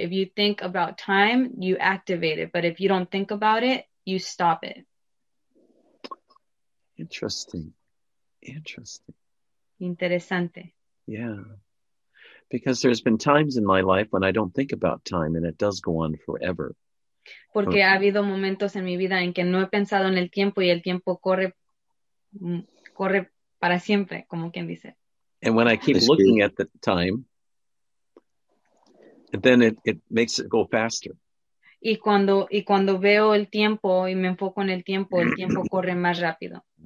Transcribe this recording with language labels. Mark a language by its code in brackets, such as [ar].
[en] If you think about time, you activate it. But if you don't think about it, you stop it. Interesting. Interesting. [es] Interesante. [en] Yeah. Because there's been times in my life when I don't think about time and it does go on forever. [es] Porque ha habido momentos en mi vida en que no he pensado en el tiempo y el tiempo corre para siempre, como quien dice. [en] And when I keep looking at the time, then it makes it go faster. [es] Y cuando veo el tiempo y me enfoco en el tiempo corre más rápido.